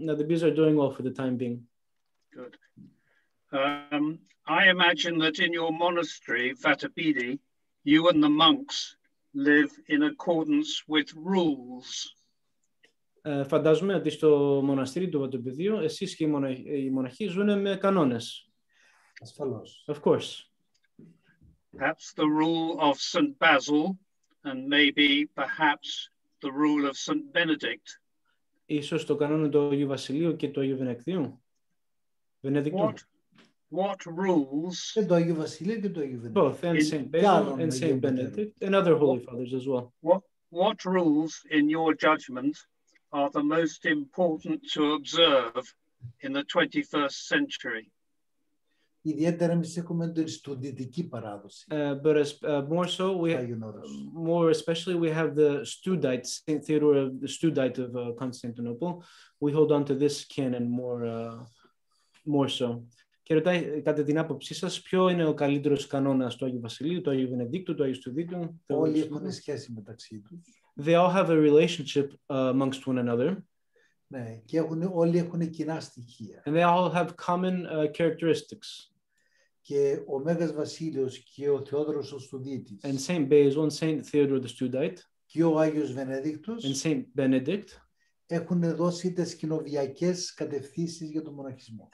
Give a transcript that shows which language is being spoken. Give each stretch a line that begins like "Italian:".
English: Now the bees are doing well for the time being. Good. I imagine that in your monastery, Vatopedi, you and the monks live in accordance with rules.
Greek: Φαντάζομαι ότι στο μοναστήρι του Βατοπεδίου εσείς και οι μοναχοί ζουν με κανόνες. Ασφαλώς.
English: Of course. Perhaps the rule of St. Basil and maybe perhaps the rule of St. Benedict.
Greek: Ίσως το κανόνα του Αγίου Βασιλείου και του Αγίου Βενεδικτίου.
English: What rules?
Greek: Το Αγίου Βασιλείο και το Αγίου
English: Βενεδικτίου. Both and St. Basil and St. Benedict and other holy fathers as well. What rules in your judgment are the most important to observe in the 21st century?
Greek: Ιδιαίτερα εμείς έχουμε την στουδιτική παράδοση.
English: But as, more so, we more especially we have the Studite, St. Theodore of the Studite of Constantinople. We hold on to this canon more so.
Greek: Και ρωτάει, κατά την άποψή σας, ποιο είναι ο καλύτερος κανόνας του Αγίου Βασιλείου, του Αγίου Βενεδίκτου, του Αγίου Στουδίτου? Όλοι έχουν σχέση μεταξύ τους.
English: They all have a relationship amongst one another.
Greek: Ναι, και έχουν, όλοι έχουν κοινά στοιχεία.
English: And they all have common characteristics.
Greek: Και ο Μέγας Βασίλειος και ο Θεόδωρος ο Στουδίτης.
English: And St. Basil and St. Theodore the Studite.
Greek: Και ο Άγιος Βενεδίκτος.
English: And St. Benedict.
Greek: Έχουν δώσει τις κοινοβιακές κατευθύνσεις για τον μοναχισμό.